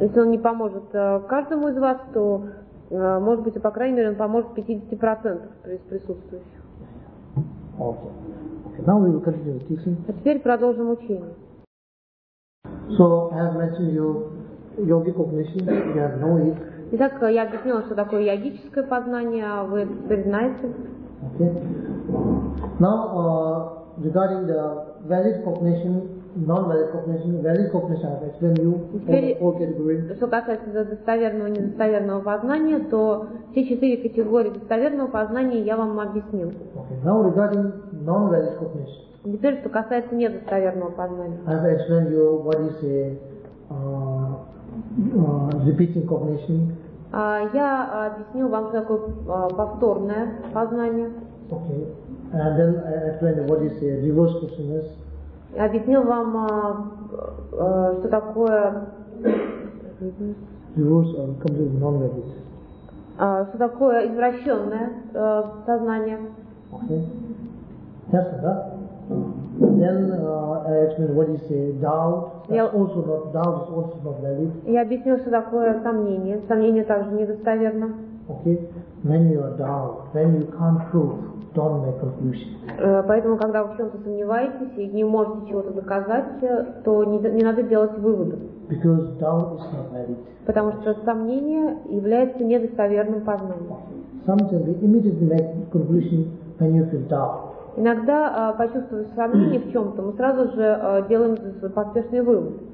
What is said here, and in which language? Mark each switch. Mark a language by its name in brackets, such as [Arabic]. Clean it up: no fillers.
[Russian] Если он не поможет каждому из вас, то, может быть, по крайней мере, он поможет 50% из присутствующих. [English] Okay. Now we will continue teaching. [Russian] А теперь продолжим учение. [English] So I have mentioned you yogic cognition, we have no it. [Russian] Итак, я объяснила, что такое йогическое познание, вы это знаете. [English] Okay. Now, regarding the valid cognition, non-valid cognition, valid cognition, I've explained you four categories. [Russian] Что касается достоверного и недостоверного познания, то все четыре категории достоверного познания я вам объяснил. [English] Okay. Now, regarding non-valid cognition. [Russian] Теперь, что касается недостоверного познания. [English] I've explained you what is a repeating cognition. [Russian] Я объяснил вам такое повторное познание. [English] Okay. And then I explained what is a reverse consciousness. [Russian] Я объяснил вам, что такое [English] reverse and completely non-valid. [Russian] Что такое извращенное сознание. [English] Okay. Yes, that. Then I explained what is a doubt. Doubt is also not valid. [Russian] Я объяснил, что такое сомнение. Сомнение также недостоверно. [English] Okay. When you are doubt, when you can't prove, don't make conclusion. [Russian] Поэтому, когда вы в чем-то сомневаетесь и не можете чего-то доказать, то не надо делать выводы. [English] Because doubt is not valid. [Russian] Потому что сомнение является недостоверным познанием. [English] Sometimes we immediately make conclusion when you feel doubt. [Russian] Иногда, почувствовав сомнение в чем-то, мы сразу же делаем поспешный вывод.